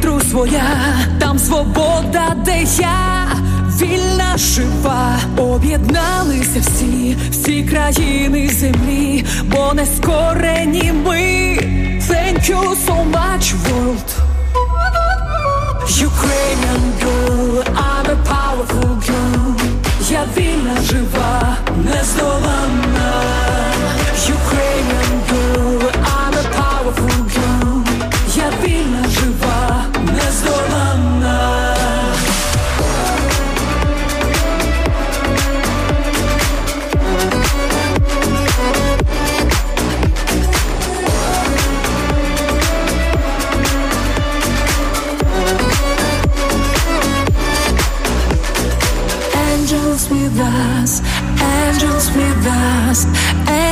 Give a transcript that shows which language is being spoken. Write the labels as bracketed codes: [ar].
[uk] Твоя, там свобода, де я вільна, жива. Об'єдналися всі, всі країни землі, бо не скорені ми. [en] Thank you so much, world. Ukrainian girl, I'm a powerful girl. [uk] Я вільна, жива, нездоланна. [en] Ukrainian girl, I'm a powerful girl. [uk] Я вільна, жива. [en] Angels with us, angels with us, angels with us.